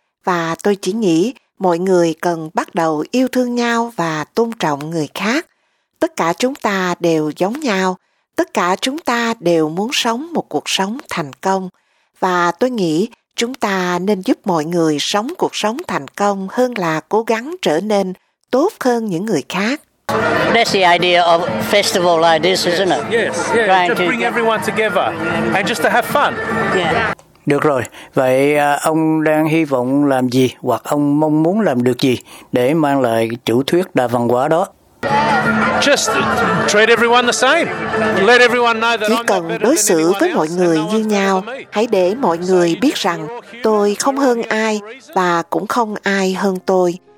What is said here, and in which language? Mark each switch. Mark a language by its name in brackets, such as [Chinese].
[Vietnamese] Và tôi chỉ nghĩ mọi người cần bắt đầu yêu thương nhau và tôn trọng người khác. Tất cả chúng ta đều giống nhau. Tất cả chúng ta đều muốn sống một cuộc sống thành công. Và tôi nghĩ chúng ta nên giúp mọi người sống cuộc sống thành công hơn là cố gắng trở nên tốt hơn những người khác. [English] That's the idea of festival like this, isn't it? Yes, yes. Yeah. Trying to bring everyone together and just to have fun. [Vietnamese] Yeah. Được rồi. Vậy ông đang hy vọng làm gì hoặc ông mong muốn làm được gì để mang lại chủ thuyết đa văn hóa đó? [English] Just treat everyone the same. Let everyone know that [Vietnamese] chỉ cần đối xử với mọi người như nhau. Hãy để mọi người biết rằng tôi không hơn ai và cũng không ai hơn tôi.